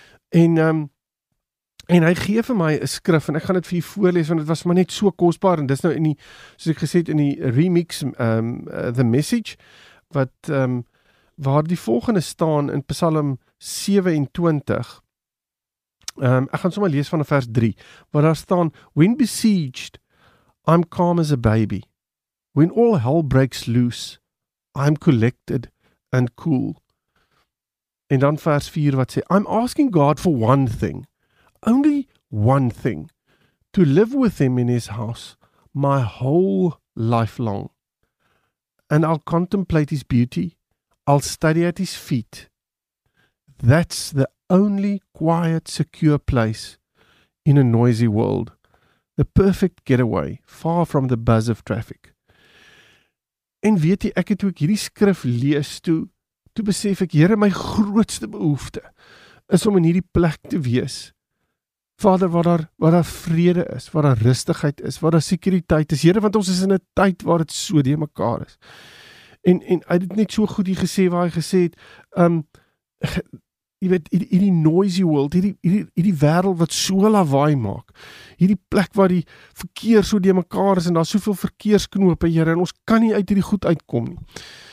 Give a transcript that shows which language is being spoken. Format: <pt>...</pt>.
<af>En hy gee vir my 'n skrif, en ek gaan dit vir jy voorlees, want dit was maar net so kostbaar, en dis nou in die, soos ek gesê het, in die remix, The Message, wat waar die volgende staan in Psalm 27, ek gaan sommer lees van vers 3, waar daar staan,</af> <en>when besieged, I'm calm as a baby. When all hell breaks loose, I'm collected and cool.</en> <af>En dan vers 4 wat sê,</af> <en>I'm asking God for one thing, only one thing, to live with him in his house my whole life long. And I'll contemplate his beauty, I'll study at his feet. That's the only quiet, secure place in a noisy world. The perfect getaway, far from the buzz of traffic.</en> <af>En weet jy, ek het ook hierdie skrif lees toe besef ek, Here, my grootste behoefte is om in hierdie plek te wees. Vader, waar daar vrede is, waar daar rustigheid is, waar daar sekuriteit is. Here, want ons is in 'n tyd waar dit so die mekaar is. En hy het net so goed hier gesê, waar hy gesê het, jy weet, hierdie</af> <en>noisy world,</en> <af>hierdie wêreld wat so lawaai maak, hierdie plek waar die verkeer so deur mekaar is, en daar soveel verkeersknope, Here, en ons kan nie uit hierdie goed uitkom nie.</af>